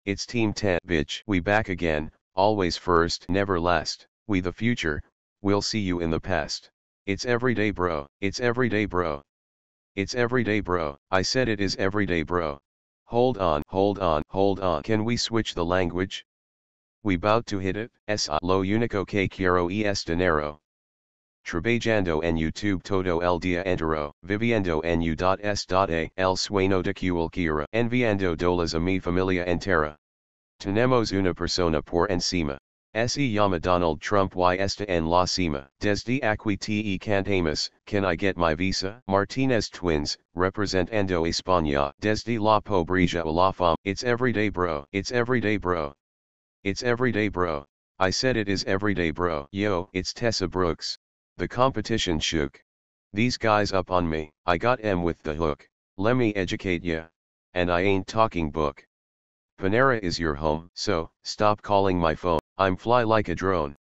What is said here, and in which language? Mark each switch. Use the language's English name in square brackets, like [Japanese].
[English] It's Team 10, bitch. We back again, always first, never last. We the future, we'll see you in the past. It's everyday, bro. It's everyday, bro. It's everyday, bro. I said it is everyday, bro. Hold on, hold on, hold on. Can we switch the language? We bout to hit it. S.I. [Spanish] Lo unico que quiero es dinero. Trabajando en YouTube todo el día entero, viviendo en U.S.A. el sueño de cualquiera, enviando dólares a mi familia entera. Tenemos una persona por encima. Se llama Donald Trump y esta en la cima. Desde aquí te cantamos, [English] can I get my visa? [Spanish] Martinez Twins, representando España. Desde la pobreza a la fama. [English] It's everyday, bro. It's everyday, bro. It's everyday, bro. I said it is everyday, bro. Yo, it's Tessa Brooks. The competition shook. These guys up on me. I got em with the hook. Lemme educate ya. And I ain't talking book. Panera is your home, so, stop calling my phone. I'm fly like a drone.